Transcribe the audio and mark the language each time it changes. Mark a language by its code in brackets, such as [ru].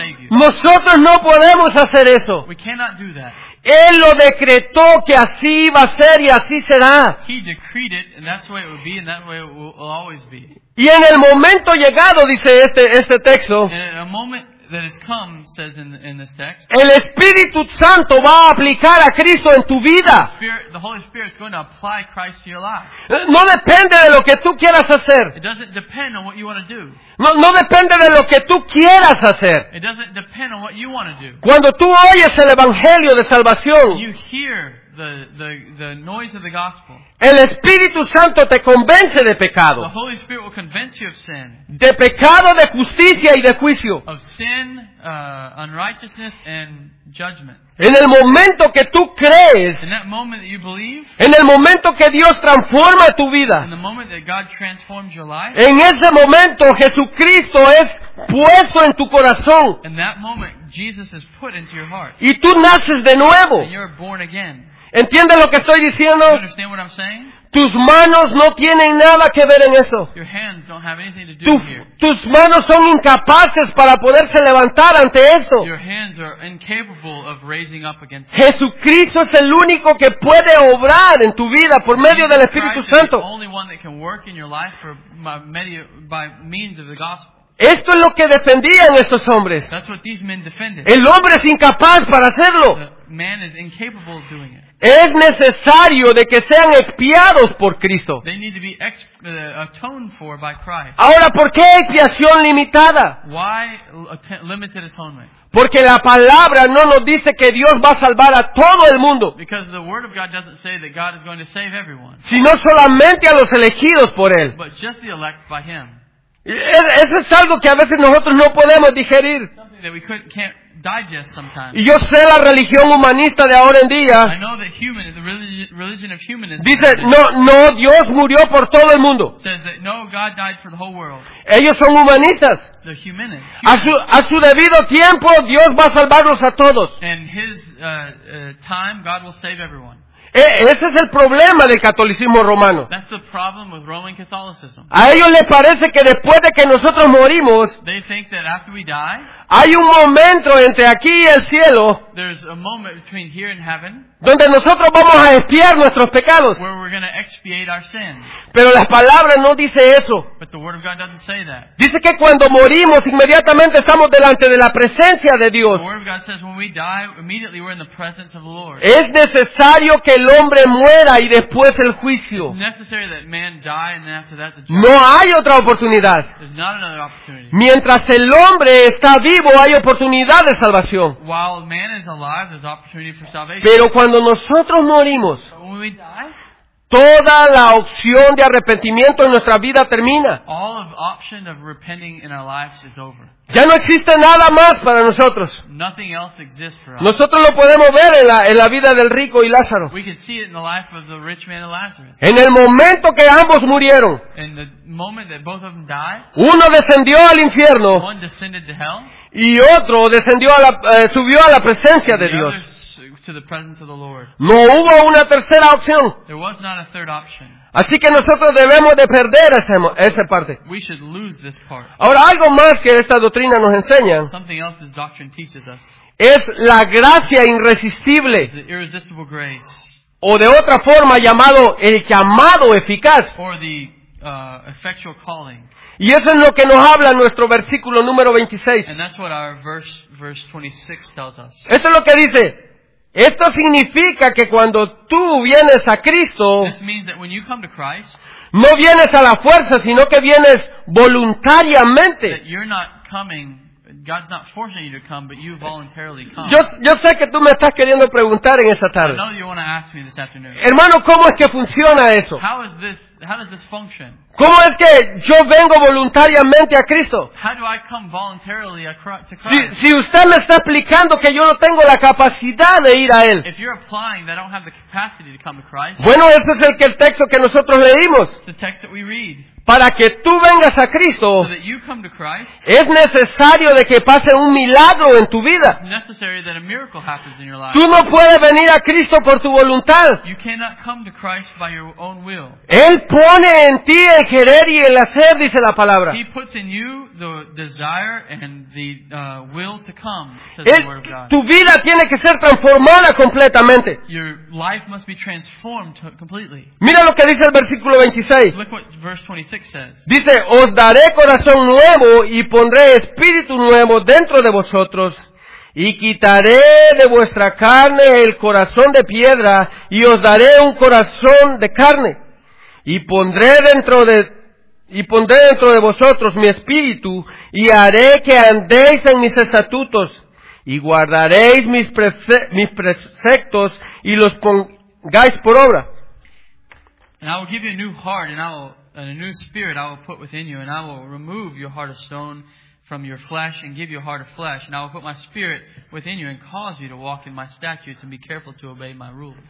[es] Nosotros no podemos hacer eso. [en] We cannot do that. [es] Él lo decretó que así iba a ser y así será. [en] He decreed it, and that's the way it would be, and that way it will always be. [es] Y en el momento llegado, dice este texto, [en] in a moment that has come, says in this text, [es] el Espíritu Santo va a aplicar a Cristo en tu vida. [en] The Holy Spirit is going to apply Christ to your life. [es] No depende de lo que tú quieras hacer. [en] It doesn't depend on what you want to do. [es] No depende de lo que tú quieras hacer. [en] It doesn't depend on what you want to do. [es] Cuando tú oyes el Evangelio de salvación, [en] you hear the noise of the gospel. [es] El Espíritu Santo te convence de pecado. [en] The Holy Spirit will convince you of sin. [es] De pecado, de justicia y de juicio. [en] Of sin, unrighteousness and judgment. [es] En el momento que tú crees, [en] in that moment that you believe, [es] en el momento que Dios transforma tu vida, [en] in the moment that God transforms your life, [es] en ese momento Jesucristo es puesto en tu corazón. [en] In that moment, Jesus is put into your heart. [es] Y tú naces de nuevo. [en] And you're born again. [es] ¿Entiendes lo que estoy diciendo? [en] You understand what I'm saying? [es] Tus manos no tienen nada que ver en eso. [en] Your hands don't have anything to do here. [es] Tus manos son incapaces para poderse levantar ante eso. [en] Your hands are incapable of raising up against that. [es] Jesucristo es el único que puede obrar en tu vida por medio del Espíritu Santo. [en] Jesus Christ is the only one that can work in your life by means of the gospel. [es] Esto es lo que defendían estos hombres. [en] That's what these men defended. [es] El hombre es incapaz para hacerlo. [en] The man is incapable of doing it. [es] Es necesario de que sean expiados por Cristo. [en] They need to be atoned for by Christ. [es] Ahora, ¿por qué expiación limitada? [en] Why limited atonement? [es] Porque la palabra no nos dice que Dios va a salvar a todo el mundo. [en] Because the word of God doesn't say that God is going to save everyone. [es] Sino solamente a los elegidos por Él. [en] But just the elect by Him. [es] Eso es algo que a veces nosotros no podemos digerir. [en] Something that we can't digest sometimes. [es] Y yo sé la religión humanista de ahora en día. [en] I know that the religion of humanism. [es] Dice, no, Dios murió por todo el mundo. [en] Says that no, God died for the whole world. [es] Ellos son humanistas. [en] They're humanists. [es] A su debido tiempo, Dios va a salvarlos a todos. [en] And his time, God will save everyone. [es] Ese es el problema del catolicismo romano. [en] That's the problem with Roman Catholicism. [es] A ellos les parece que después de que nosotros morimos, [en] they think that after we die, [es] hay un momento entre aquí y el cielo, [en] there's a moment between here and heaven, [es] donde nosotros vamos a expiar nuestros pecados. [en] Where we're gonna expiate our sins. [es] Pero la palabra no dice eso. [en] But the word of God doesn't say that. [es] Dice que cuando morimos, inmediatamente estamos delante de la presencia de Dios. [en] The word of God says when we die, immediately we're in the presence of the Lord. [es] Es necesario que el hombre muera y después el juicio. [en] It's necessary that man die and then after that the judgment. [es] No hay otra oportunidad. [en] There's not another opportunity. [es] Mientras el hombre está vivo, hay oportunidad de salvación. [en] While man is alive, there's opportunity for salvation. [es] Pero cuando nosotros morimos, [en] when we die, [es] toda la opción de arrepentimiento en nuestra vida termina. [en] All of option of repenting in our lives is over. [es] Ya no existe nada más para nosotros. [en] Nothing else exists for us. [es] Nosotros lo podemos ver en la vida del rico y Lázaro. [en] We can see it in the life of the rich man and Lazarus. [es] En el momento que ambos murieron, [en] in the moment that both of them died, [es] uno descendió al infierno, [en] one descended to hell, [es] y otro descendió a la, subió a la presencia de Dios. [en] To the presence of the Lord. [es] No hubo una tercera opción. [en] There was not a third option. [es] Así que nosotros debemos de perder esa parte. [en] We should lose this part. [es] Ahora, algo más que esta doctrina nos enseña, [en] something else this doctrine teaches us, [es] es la gracia irresistible. [en] The irresistible grace. [es] O de otra forma llamado el llamado eficaz. [en] Or the effectual calling. [es] Y eso es lo que nos habla nuestro versículo número 26. [en] And that's what our verse 26 tells us. [es] Esto es lo que dice. Esto significa que cuando tú vienes a Cristo, [en] this means that when you come to Christ, [es] no vienes a la fuerza, sino que vienes voluntariamente. [en] That you're not coming, God's not forcing you to come, but you voluntarily come. [es] Yo sé que tú me estás queriendo preguntar en esta tarde. [en] I know you want to ask me this afternoon. [es] Hermano, ¿cómo es que funciona eso? [en] How does this function? [es] ¿Cómo es que yo vengo voluntariamente a Cristo? [en] How do I come voluntarily to Christ? [es] Si usted me está explicando que yo no tengo la capacidad de ir a Él. [en] If you're applying that I don't have the capacity to come to Christ. [es] Bueno, ese es el texto que nosotros leímos. [en] The text that we read. [es] Para que tú vengas a Cristo, [en] so that you come to Christ, [es] es necesario de que pase un milagro en tu vida. [en] It's necessary that a miracle happens in your life. [es] Tú no puedes venir a Cristo por tu voluntad. [en] You cannot come to Christ by your own will. [es] Él pone en ti el querer y el hacer, dice la palabra. [en] He puts in you the desire and the will to come, says [es] Él, [en] the word of God. [es] Tu vida tiene que ser transformada completamente. [en] Your life must be transformed completely. [es] Mira lo que dice el versículo 26. [en] Look what verse 26 6 says. [es] Dice, os daré corazón nuevo y pondré espíritu nuevo dentro de vosotros y quitaré de vuestra carne el corazón de piedra y os daré un corazón de carne y pondré dentro de vosotros mi espíritu y haré que andéis en mis estatutos y guardaréis mis preceptos y los pongáis por obra. [en] And I will give you a new heart and a new spirit I will put within you, and I will remove your heart of stone from your flesh and give you a heart of flesh, and I will put my spirit within you and cause you to walk in my statutes and be careful to obey my rules.